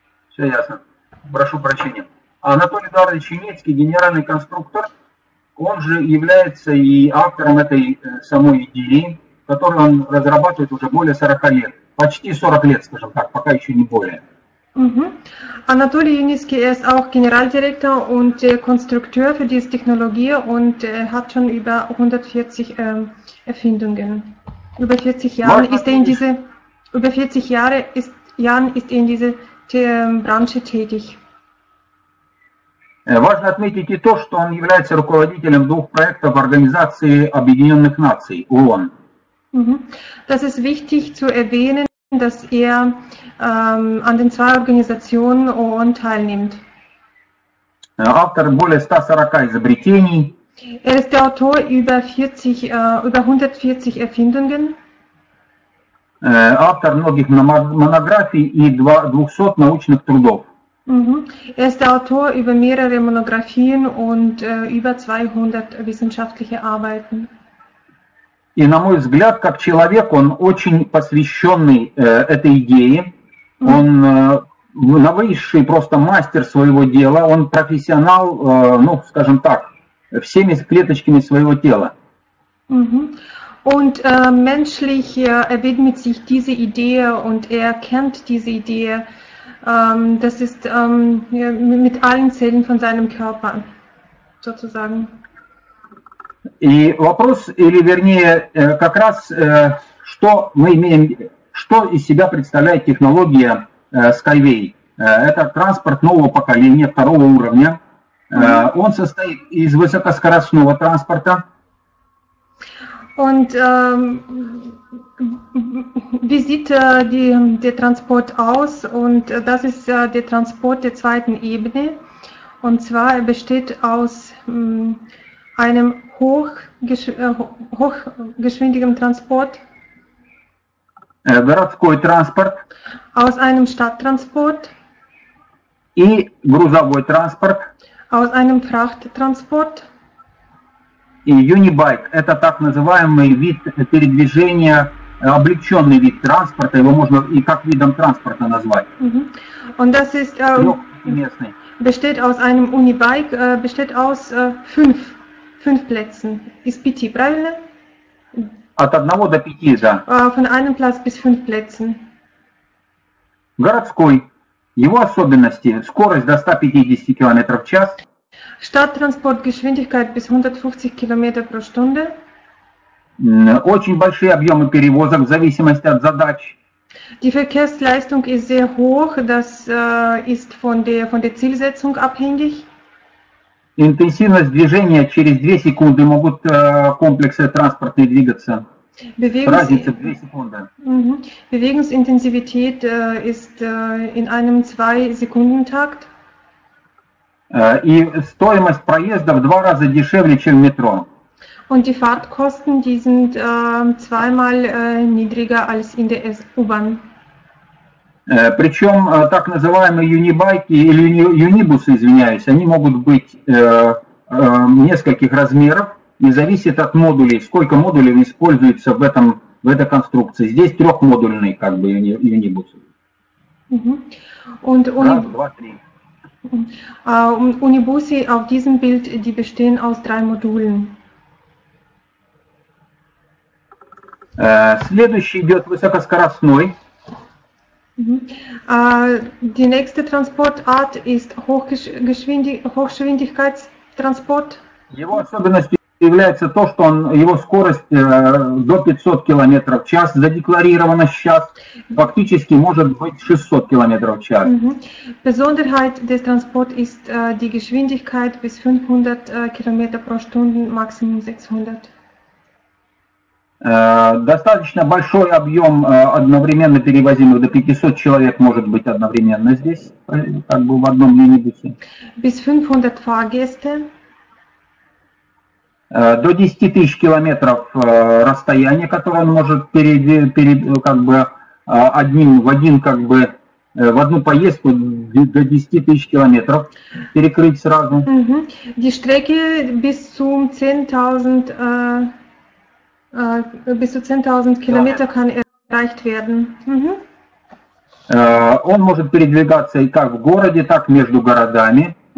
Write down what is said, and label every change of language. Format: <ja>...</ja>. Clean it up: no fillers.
<ru>Все ясно. Прошу прощения. Анатолий Эдуардович Чинецкий, генеральный конструктор, он же является и автором этой самой идеи, которую он разрабатывает уже более 40 лет. Почти 40 лет, скажем так, пока еще не более.</ru> <de>Анатолий Юницкий, er ist auch Generaldirektor und Konstrukteur für diese Technologie und hat schon über 140 Erfindungen. Über 40 Jahre ist er in diese, über 40 Jahre ist, Jahren ist er in diese Branche tätig.</de> <ru>Важно отметить и то, что он является руководителем двух проектов Организации Объединенных Наций, ООН.</ru> <de>Das ist wichtig zu erwähnen, dass er an den zwei Organisationen ООН teilnimmt.</de> <ru>Автор более 140 изобретений.</ru> <de>Er ist der Autor über 40, über 140 Erfindungen.</de> <ru>Автор многих монографий и 200 научных трудов.</ru> <de>Er ist der Autor über mehrere Monographien und über 200 wissenschaftliche Arbeiten.</de> <ru>И, на мой взгляд, как человек, он очень посвященный этой идее. Он новейший просто мастер своего дела. Он профессионал, ну, скажем так, всеми клеточками своего тела.</ru> <de>Und menschlich widmet sich diese Idee und kennt diese Idee. Das ist mit allen Zellen von seinem Körper, sozusagen.</de> <ru>И вопрос, или вернее, как раз, что мы имеем, что из себя представляет технология Skyway? Это транспорт нового поколения, второго уровня. Он состоит из высокоскоростного транспорта.</ru> <de>Und wie sieht der Transport aus? Und das ist der Transport der zweiten Ebene. Und zwar besteht aus einem hochgeschwindigen Transport,</de> <ru>городской транспорт,</ru> <de>aus einem Stadttransport,</de> <ru>и грузовой транспорт,</ru> <de>aus einem Frachttransport,</de> <ru>и Unibike, это так называемый вид передвижения, облегченный вид транспорта, его можно и как видом транспорта назвать.</ru> <de>Und das ist, besteht aus einem Unibike, besteht aus fünf Plätzen. Ist</de> <ru>пяти, правильно? От одного до пяти, да.</ru> <de>Von einem Platz bis fünf Plätzen.</de> <ru>Городской. Его особенности. Скорость до 150 км в час.</ru> <de>Stadttransport, Geschwindigkeit bis 150 км pro Stunde.</de> <ru>Очень большие объемы перевозок в зависимости от задач.</ru> <de>Die Verkehrsleistung ist sehr hoch. Das ist von der Zielsetzung abhängig.</de> <ru>Интенсивность движения через 2 секунды могут комплексы транспортные двигаться. Разница 2 секунды.</ru> <de>Bewegungsintensität ist in einem 2-Sekunden-Takt.</de> <ru>И стоимость проезда в 2 раза дешевле, чем метро.</ru> <de>Und die Fahrtkosten, die sind zweimal niedriger als in der S-Bahn.</de> <ru>Причем так называемые юнибайки или юнибусы, извиняюсь, они могут быть нескольких размеров и зависит от модулей, сколько модулей используется в этом, в этой конструкции. Здесь трехмодульный как бы юнибус. Раз, два, три. Унибусы в этом билде, они состоят из трех модулей. Следующий идет высокоскоростной.</ru> <de>Die nächste Transportart ist Hochgeschwindigkeitstransport.</de> <ru>Его особенностью является то, что он, его скорость до 500 км в час задекларирована сейчас. Фактически может быть 600 км в час.</ru> <de>Besonderheit des Transports ist die Geschwindigkeit bis 500 km pro Stunde, maximum 600.</de> <ru>Достаточно большой объем одновременно перевозимых, до 500 человек может быть одновременно здесь, как бы в одном минибусе.</ru> <de>Bis 500 Fahrgäste.</de> <ru>До 10 тысяч километров расстояние, которое он может в одну поездку до 10 тысяч километров перекрыть сразу.</ru> <de>Die Strecke bis zum 10.000 bis zu 10.000 Kilometer kann erreicht werden.</de> <ru>Он может передвигаться и как в городе, так между городами.</ru>